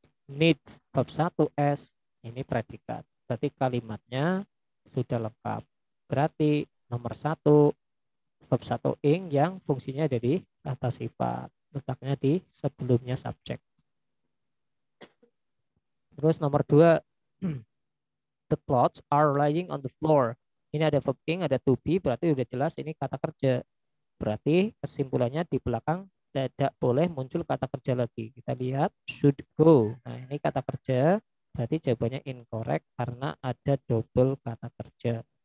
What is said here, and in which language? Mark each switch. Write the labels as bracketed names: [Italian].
[Indonesian] Needs, verb 1, S. Ini predikat. Berarti kalimatnya sudah lengkap. Berarti nomor 1, verb 1 ing yang fungsinya dari kata sifat. Letaknya di sebelumnya subjek. Terus nomor 2, [English] the clothes are lying on the floor. [Indonesian] Ini ada verb ing, ada to be, berarti sudah jelas ini kata kerja. Berarti kesimpulannya di belakang tidak boleh muncul kata kerja lagi. Kita lihat should go. Nah, ini kata kerja, berarti jawabannya incorrect karena ada double kata kerja.